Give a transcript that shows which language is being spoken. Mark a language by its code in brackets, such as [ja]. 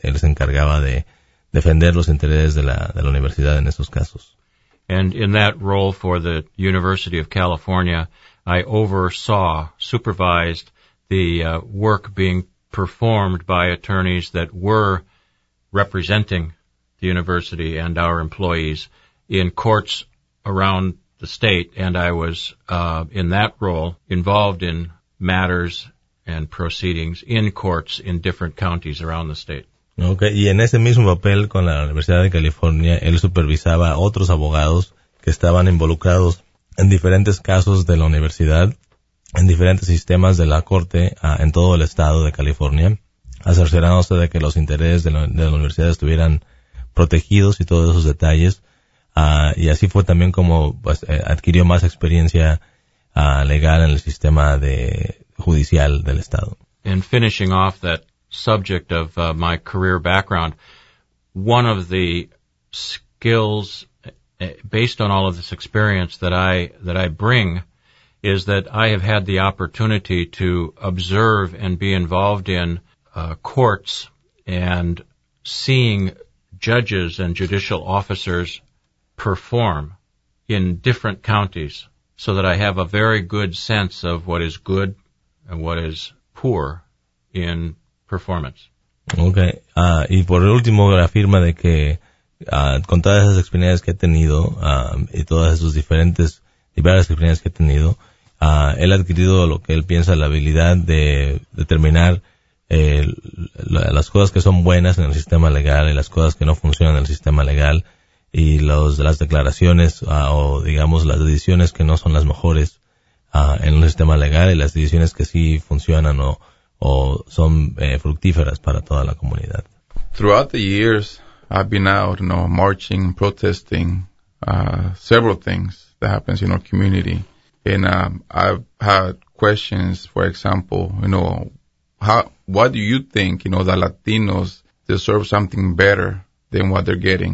[es] Él se encargaba de defender los intereses de la universidad en esos casos. [en] And in that role for the University of California, I oversaw, supervised the work being performed by attorneys that were representing the university and our employees in courts around the state. And I was in that role involved in matters and proceedings in courts in different counties around the state. [es] Okay, y en ese mismo papel con la Universidad de California, él supervisaba a otros abogados que estaban involucrados en diferentes casos de la universidad, en diferentes sistemas de la corte en todo el estado de California, asegurándose de que los intereses de la universidad estuvieran protegidos y todos esos detalles. Y así fue también como adquirió más experiencia legal en el sistema judicial del estado. [en] And finishing off that subject of my career background, one of the skills based on all of this experience that I bring is that I have had the opportunity to observe and be involved in courts and seeing judges and judicial officers perform in different counties, so that I have a very good sense of what is good and what is poor in performance. Okay. [es] Y por último, afirma de que con todas esas experiencias que ha tenido y todas esas diversas experiencias que ha tenido, él ha adquirido lo que él piensa la habilidad de determinar las cosas que son buenas en el sistema legal y las cosas que no funcionan en el sistema legal y las declaraciones o digamos las decisiones que no son las mejores en el sistema legal y las decisiones que sí funcionan o son fructíferas para toda la comunidad. [en] Throughout the years, I've been out, you know, marching, protesting, several things that happens in our community. And I've had questions, for example, you know, why do you think, you know, that Latinos deserve something better than what they're getting?